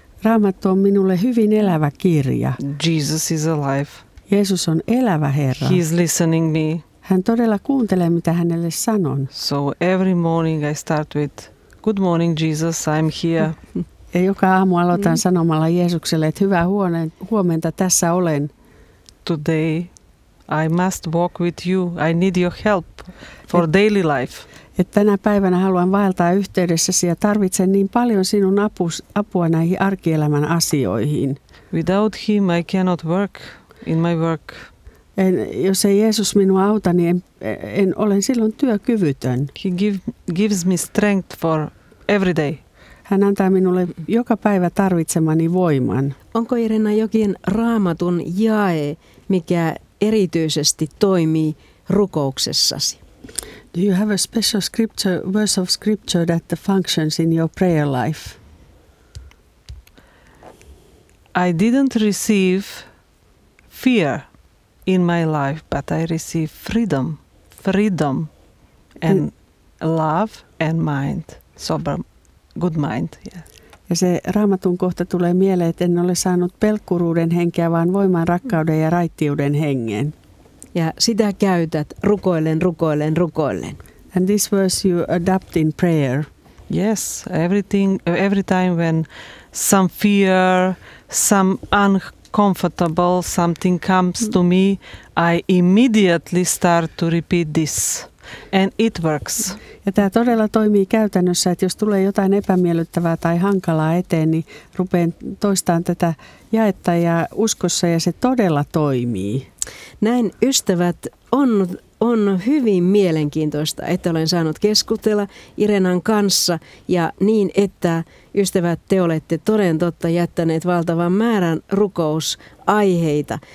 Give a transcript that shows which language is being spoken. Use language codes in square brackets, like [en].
[fi] Raamattu on minulle hyvin elävä kirja. [en] Jesus is alive. [fi] Jeesus on elävä Herra. [en] He's listening me. [fi] Hän todella kuuntelee, mitä hänelle sanon. [en] So every morning I start with, good morning Jesus, I'm here. [fi] Ja joka aamu aloitan sanomalla Jeesukselle, että hyvää huomenta, tässä olen. [en] Today I must walk with you, I need your help for daily life. [fi] Et tänä päivänä haluan vaeltaa yhteydessäsi ja tarvitsen niin paljon sinun apua näihin arkielämän asioihin. [en] Without him I cannot work in my work. [fi] En, jos ei Jeesus minua auta, niin en olen silloin työkyvytön. [en] He gives me strength for every day. [fi] Hän antaa minulle joka päivä tarvitsemani voiman. Onko Irena jokin Raamatun jae, mikä erityisesti toimii rukouksessasi? [en] Do you have a special scripture, verse of scripture that functions in your prayer life? I didn't receive fear in my life, but I received freedom. Freedom and love and mind. Sober. Good mind, yeah. [fi] Ja se Raamatun kohta tulee mieleen, että en ole saanut pelkkuruuden henkeä, vaan voiman, rakkauden ja raittiuden hengen. Ja sitä käytät rukoillen, rukoillen, rukoillen. [en] And this verse you adapt in prayer. Yes, every time when some fear, some uncomfortable something comes to me, I immediately start to repeat this. And it works. [fi] Ja tämä todella toimii käytännössä, että jos tulee jotain epämiellyttävää tai hankalaa eteen, niin rupean toistamaan tätä jaetta ja uskossa, ja se todella toimii. Näin, ystävät, on hyvin mielenkiintoista, että olen saanut keskustella Irenan kanssa, ja niin, että ystävät, te olette toden totta jättäneet valtavan määrän rukousaiheita.